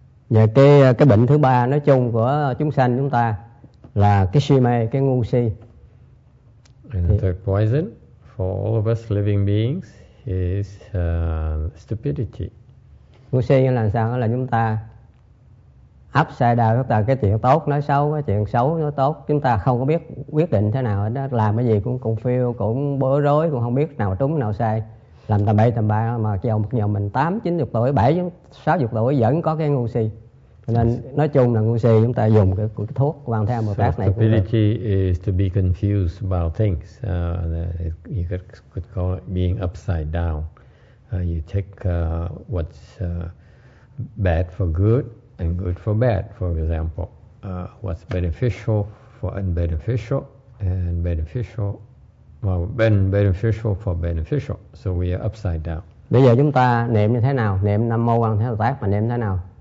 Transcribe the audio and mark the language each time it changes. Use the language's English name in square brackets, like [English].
[Vietnamese] Và cái bệnh thứ ba nói chung của chúng sanh chúng ta là cái si mê, cái ngu si. [English] And the third poison for all of us living beings is stupidity. [Vietnamese] Ngu si nghĩa là sao? Là chúng ta [English] upside down, [Vietnamese] chúng ta cái chuyện tốt nói xấu, cái chuyện xấu nói tốt. Chúng ta không có biết quyết định thế nào, đó làm cái gì cũng confused, cũng bối rối, cũng không biết nào trúng nào sai. Làm tầm bậy tầm bạ mà nhiều mình 8, 9 tuổi, 7, 6 tuổi vẫn có cái ngu si. Nên nói chung là ngu si chúng ta dùng cái thuốc Quan Thế Âm Bồ Tát này. [English] Stupidity is to be confused about things. You could call it being upside down. You take what's bad for good and good for bad. For example, what's beneficial for unbeneficial and beneficial. Well, beneficial for beneficial, so we are upside down. [Vietnamese] Bây giờ chúng ta niệm như thế nào? Niệm Nam Mô Quan Thế Âm Bồ Tát mà niệm thế nào?